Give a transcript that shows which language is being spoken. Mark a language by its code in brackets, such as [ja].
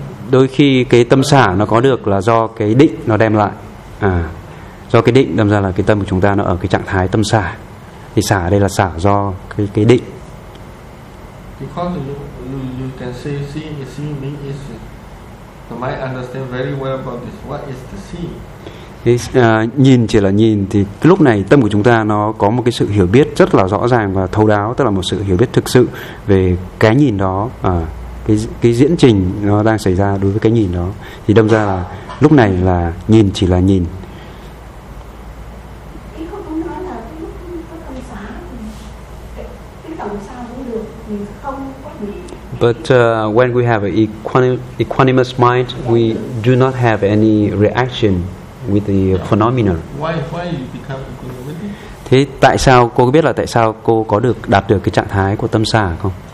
[vi] Đôi khi cái tâm xả nó có được là do cái định nó đem lại. do cái định, đâm ra là cái tâm của chúng ta nó ở cái trạng thái tâm xả. Thì xả đây là xả do cái định. [en] Because you can say see me is, the mind understand very well about this. What is the see? [vi] Nhìn chỉ là nhìn, thì lúc này tâm của chúng ta nó có một cái sự hiểu biết rất là rõ ràng và thấu đáo, tức là một sự hiểu biết thực sự về cái nhìn đó, cái diễn trình nó đang xảy ra đối với cái nhìn đó. Thì đâm ra là lúc này là nhìn chỉ là nhìn. [en] But when we have an equanimous mind, we do not have any reaction with the phenomena. Why you become equanimous? [vi] Thế tại sao cô biết là tại sao cô có được đạt được cái trạng thái của tâm xả không?